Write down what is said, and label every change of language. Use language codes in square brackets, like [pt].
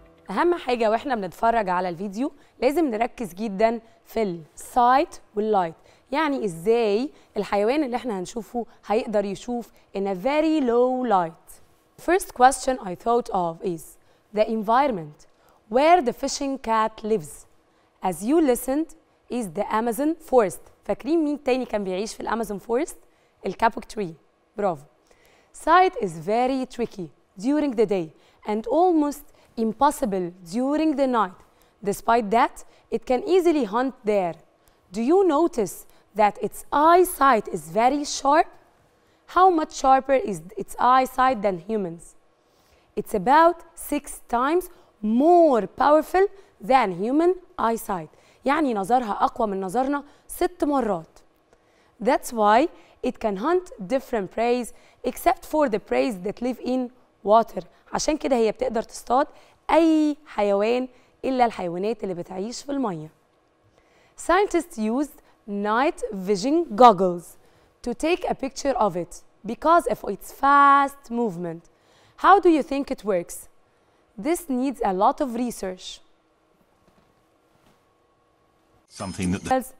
[ar] أهم حاجة وإحنا بنتفرج على الفيديو لازم نركز جداً في السايت واللايت، يعني إزاي الحيوان اللي إحنا هنشوفه هيقدر يشوف [en] in a very low light. First question I thought of is the environment where the fishing cat lives. As you listened is the Amazon forest. [ar] فاكرين مين تاني كان بيعيش في الأمازون فورست؟ الكابوك تري. برافو. [en] Sight is very tricky during the day and almost impossible during the night. Despite that, it can easily hunt there. Do you notice that its eyesight is very sharp? How much sharper is its eyesight than humans? It's about 6 times more powerful than human eyesight. [ar] يعني نظرها أقوى من نظرنا 6 مرات. [en] That's why it can hunt different prey except for the prey that live in water. [ar] عشان كده هي بتقدر تصطاد أي حيوان إلا الحيوانات اللي بتعيش في المية. [en] Scientists used night vision goggles to take a picture of it because of its fast movement. How do you think it works? This needs a lot of research. Something that